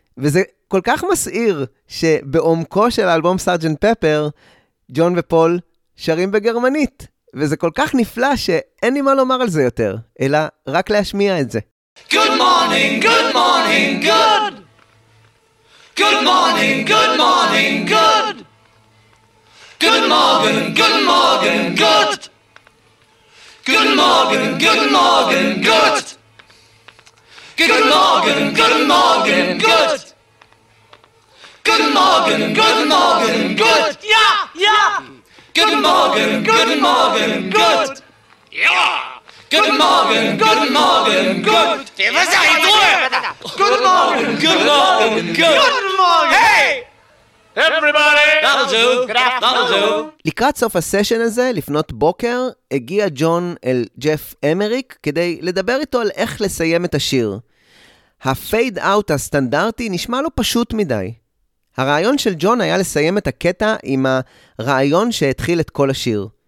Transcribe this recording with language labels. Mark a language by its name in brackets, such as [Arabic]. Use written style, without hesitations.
[Hebrew] וזה כל כך מסעיר שבעומקו של האלבום סארג'נט פפר, ג'ון ופול שרים בגרמנית. וזה כל כך נפלא שאין לי מה לומר על זה יותר, אלא רק להשמיע את זה. [English] גוד מורנינג, גוד מורנינג, גוד! Good morning, good morning, good. Good morning, good morning, good. Good morning, good morning, good. Good morning, good morning, good. Good morning, good morning, good. Yeah, yeah. Good morning, good morning, good. Yeah. Good morning, good morning, good. Was I doing? Good morning, good morning, good. Hey! Everybody! That'll do. [Hebrew] לקראת סוף הסשן הזה, לפנות בוקר, הגיע ג'ון אל ג'ף אמריק כדי לדבר איתו על איך לסיים את השיר. הפייד אאוט הסטנדרטי נשמע לו פשוט מדי. הרעיון של ג'ון היה לסיים את הקטע עם הרעיון שהתחיל את כל השיר.